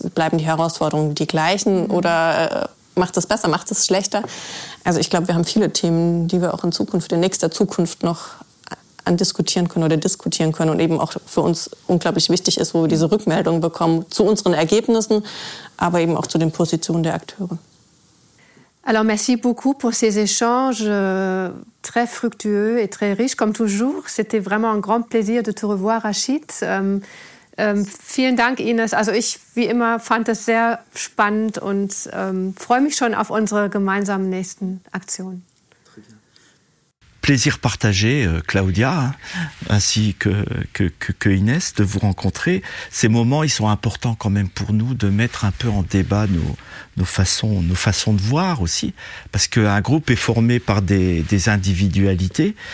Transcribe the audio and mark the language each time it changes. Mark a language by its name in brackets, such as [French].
[German] Bleiben die Herausforderungen die gleichen oder macht es besser, macht es schlechter? Also ich glaube, wir haben viele Themen, die wir auch in Zukunft, in nächster Zukunft noch andiskutieren können oder diskutieren können und eben auch für uns unglaublich wichtig ist, wo wir diese Rückmeldung bekommen zu unseren Ergebnissen, aber eben auch zu den Positionen der Akteure. [French] Alors, merci beaucoup pour ces échanges très fructueux et très riches, comme toujours. C'était vraiment un grand plaisir de te revoir, Rachid. [German] Vielen Dank, Ines. Also ich, wie immer, fand das sehr spannend und freue mich schon auf unsere gemeinsamen nächsten Aktionen. [French] Plaisir partagé, Claudia, ainsi que Inès, de vous rencontrer. Ces moments, ils sont importants quand même pour nous de mettre un peu en débat nos façons de voir aussi, parce qu'un groupe est formé par des individualités.